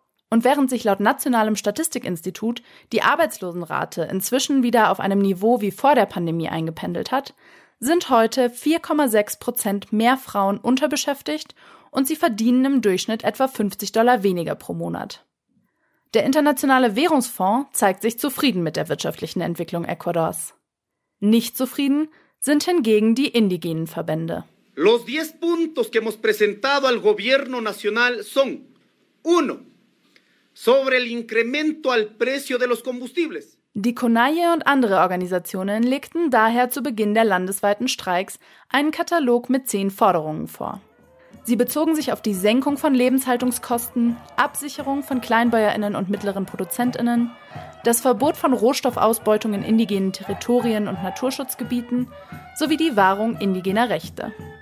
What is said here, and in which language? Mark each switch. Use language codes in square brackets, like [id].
[de] Und während sich laut Nationalem Statistikinstitut die Arbeitslosenrate inzwischen wieder auf einem Niveau wie vor der Pandemie eingependelt hat, sind heute 4,6% mehr Frauen unterbeschäftigt und sie verdienen im Durchschnitt etwa $50 weniger pro Monat. Der Internationale Währungsfonds zeigt sich zufrieden mit der wirtschaftlichen Entwicklung Ecuadors. Nicht zufrieden sind hingegen die indigenen Verbände. [es] Los 10 puntos que hemos presentado al gobierno nacional son: 1. Sobre el incremento al precio de los combustibles. [de] Die CONAIE und andere Organisationen legten daher zu Beginn der landesweiten Streiks einen Katalog mit 10 Forderungen vor. Sie bezogen sich auf die Senkung von Lebenshaltungskosten, Absicherung von KleinbäuerInnen und mittleren ProduzentInnen, das Verbot von Rohstoffausbeutung in indigenen Territorien und Naturschutzgebieten sowie die Wahrung indigener Rechte.